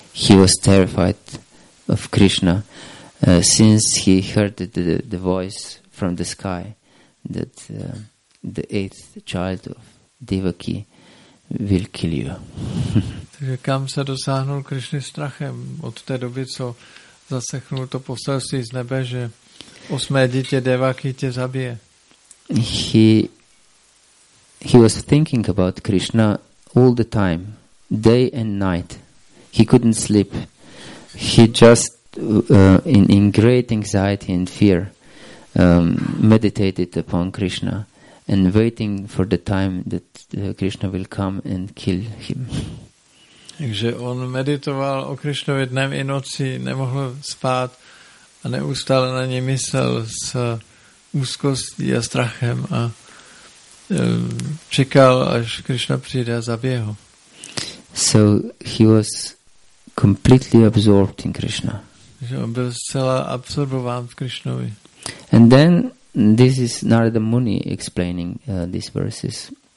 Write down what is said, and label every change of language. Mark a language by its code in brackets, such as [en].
[en] He was terrified of Krishna since he heard the voice from the sky that the eighth child of Devaki will kill you. [cs] Takže Kamsa dosáhnul Krishny strachem od té doby, co zaslechnul to poselství z nebe, že osmé dítě Devaki tě zabije. [en] He was thinking about Krishna all the time, day and night. He couldn't sleep. He just in great anxiety and fear meditated upon Krishna and waiting for the time that Krishna will come and kill him. [cs] Takže on meditoval o Krishnovi dnem i noci, nemohl spát a neustále na něj myslel s úzkostí a strachem a čekal, až Krishna přijde a zabije ho. [en] So he was completely absorbed in Krishna. [cs] Že on byl zcela absorbován v Krishnovi. [en] And then this is Narada Muni explaining these verses.